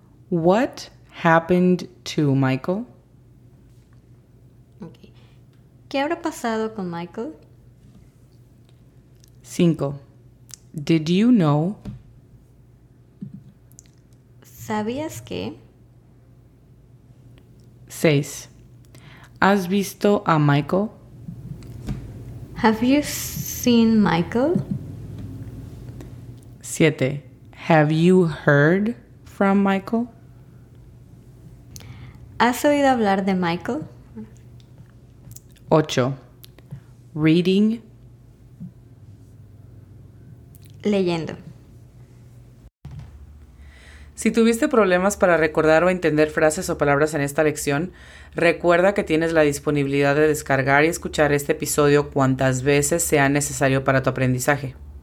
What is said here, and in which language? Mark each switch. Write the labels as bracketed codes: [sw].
[en] What happened to Michael? Okay. [es] ¿Qué habrá pasado con Michael? [en] 5. Did you know? [es] ¿Sabías que? 6. ¿Has visto a Michael? [en] Have you seen Michael? 7. Have you heard from Michael? [es] ¿Has oído hablar de Michael? [en] 8. Reading. [es] Leyendo. Si tuviste problemas para recordar o entender frases o palabras en esta lección, recuerda que tienes la disponibilidad de descargar y escuchar este episodio cuantas veces sea necesario para tu aprendizaje.